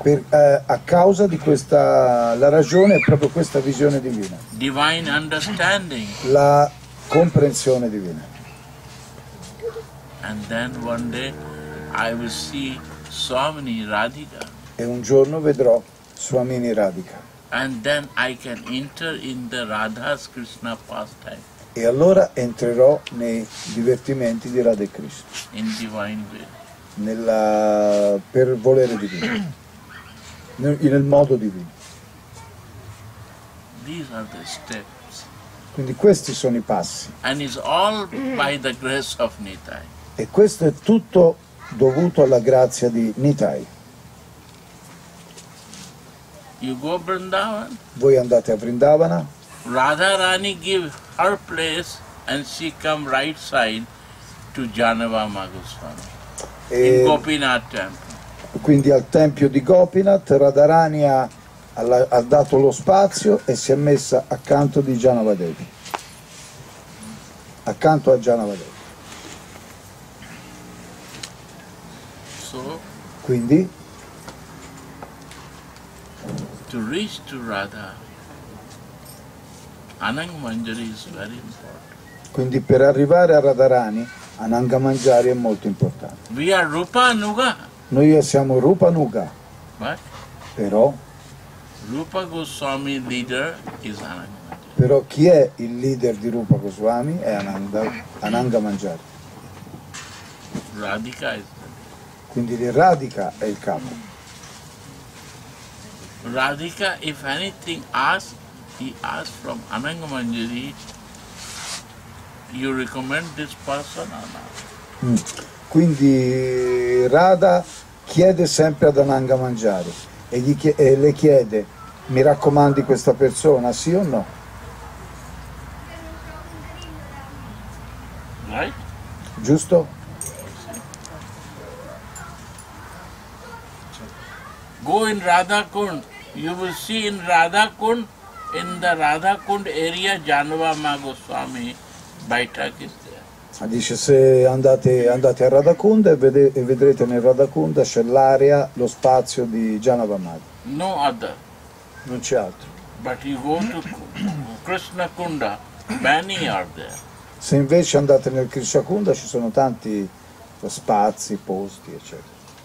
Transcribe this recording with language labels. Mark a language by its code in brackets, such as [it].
[it] A causa di questa, la ragione è proprio questa visione divina. [en] Divine understanding. [it] La comprensione divina. [en] And then one day, I will see Swamini Radhika. [it] E un giorno vedrò Swamini Radhika. [en] And then I can enter in the Radha's Krishna pastime. [it] E allora entrerò nei divertimenti di Radha e Krishna. [en] In divine will. [it] Nella per volere divino. nel modo divino. [en] These are the steps. [it] Quindi questi sono i passi. [en] And it's all by the grace of Nitai. [it] E questo è tutto dovuto alla grazia di Nitai. [en] You go Vrindavan? [it] Voi andate a Vrindavana? [en] Radharani give her place and she come right side to Janava Magoswami. [it] E in Gopinath temple. Quindi al tempio di Gopinath Radharani ha dato lo spazio e si è messa accanto di Janava Devi. Accanto a Janava Devi. Quindi [en] to reach to Radha Anang Manjari is very important. [it] Quindi per arrivare a Radharani Ananga Manjari è molto importante. [en] We are Rupa Nuga. [it] Noi siamo Rupa Nuga. [en] But [it] però [en] Rupa Goswami leader is Ananga Manjari. [it] Però chi è il leader di Rupa Goswami è Ananga Manjari. [en] Radhika is. [it] Quindi Radhika è il capo. [en] Radhika, if anything asks, he asks from Ananga Manjari, you recommend this person or not? [it] Quindi Radha chiede sempre ad Ananga Manjari e le chiede, mi raccomandi questa persona, sì o no? [en] Right? [it] Giusto? [en] Go in Radha Kund. You will see in Radha Kund, in the Radha Kund area, Janava Magoswami Baitak is there. [it] Dice, se andate a Radhakunda e vedrete nel Radhakunda c'è l'area, lo spazio di Janavamadi. [en] No other. [it] Non c'è altro. [en] But you go to Krishna Kunda, many are there. [it] Se invece andate nel Krishna Kunda ci sono tanti spazi, posti, eccetera.